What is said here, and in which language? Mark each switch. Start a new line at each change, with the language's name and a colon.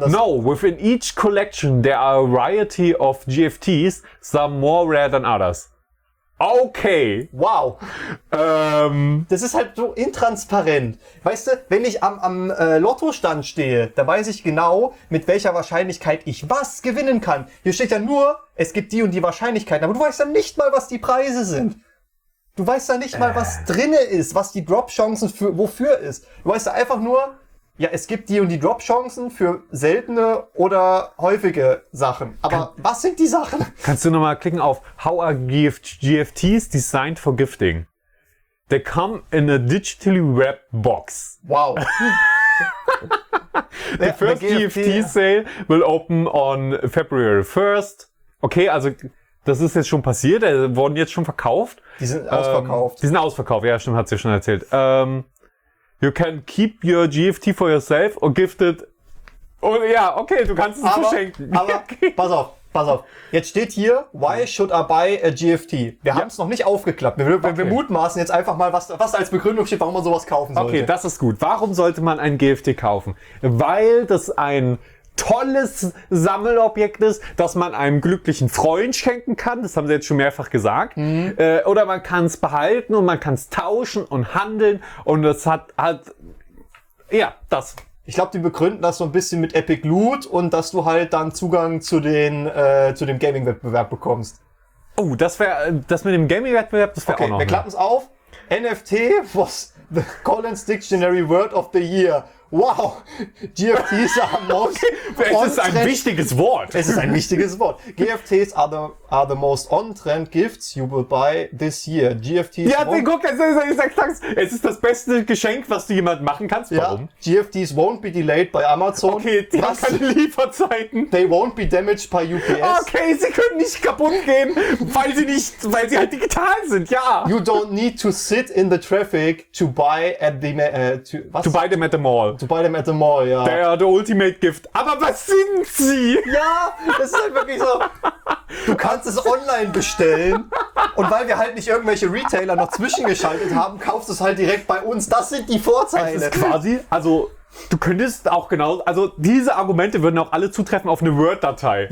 German: dass...
English: No, within each collection there are a variety of GFTs, some more rare than others. Okay. Wow.
German: Das ist halt so intransparent. Weißt du, wenn ich am Lottostand stehe, da weiß ich genau, mit welcher Wahrscheinlichkeit ich was gewinnen kann. Hier steht ja nur, es gibt die und die Wahrscheinlichkeiten. Aber du weißt ja nicht mal, was die Preise sind. Du weißt ja nicht mal, was drinne ist, was die Drop-Chancen für wofür ist. Du weißt ja einfach nur, ja, es gibt die und die Drop-Chancen für seltene oder häufige Sachen. Aber was sind die Sachen? Kannst du nochmal klicken auf
English: How are GFTs designed for gifting? They come in a digitally wrapped box. Wow. The first GFT sale will open on February 1st.
German: Okay, also das ist jetzt schon passiert. Die wurden jetzt schon verkauft. Die sind ausverkauft. Die sind ausverkauft. Ja, stimmt, hat sie ja schon erzählt.
English: You can keep your GFT for yourself or gift it.
German: Oh ja, okay, du kannst es verschenken. Aber pass auf. Jetzt steht hier,
English: why should I buy a GFT?
German: Wir haben es noch nicht aufgeklappt. Wir mutmaßen jetzt einfach mal, was als Begründung steht, warum man sowas kaufen sollte. Okay, das ist gut. Warum sollte man ein GFT kaufen? Weil das ein tolles Sammelobjekt ist, das man einem glücklichen Freund schenken kann. Das haben sie jetzt schon mehrfach gesagt. Mhm. Oder man kann es behalten und man kann es tauschen und handeln. Und es hat ja, das. Ich glaube, die begründen das so ein bisschen mit Epic Loot und dass du halt dann Zugang zu dem Gaming-Wettbewerb bekommst. Oh, das mit dem Gaming-Wettbewerb, das wäre okay, auch noch. Okay, wir klappen es auf.
English: NFT was the Collins Dictionary Word of the Year. Wow, GFTs are most on-trend.
German: Es ist ein wichtiges Wort. Es ist ein wichtiges Wort.
English: GFTs are the most on-trend gifts you will buy this year. GFTs.
German: Ja, guck, es ist das beste Geschenk, was du jemandem machen kannst. Warum? Ja,
English: GFTs won't be delayed by Amazon.
German: Okay, die haben keine Lieferzeiten.
English: They won't be damaged by UPS.
German: Okay, sie können nicht kaputt gehen, weil sie halt digital sind. Ja.
English: You don't need to sit in the traffic to buy at the To buy them at the mall. To buy them at the mall, ja.
German: Der Ultimate Gift. Aber was sind sie? Ja, das ist halt wirklich so. Du kannst es online bestellen. Und weil wir halt nicht irgendwelche Retailer noch zwischengeschaltet haben, kaufst du es halt direkt bei uns. Das sind die Vorteile. Das ist quasi, also du könntest auch genau, also diese Argumente würden auch alle zutreffen auf eine Word-Datei.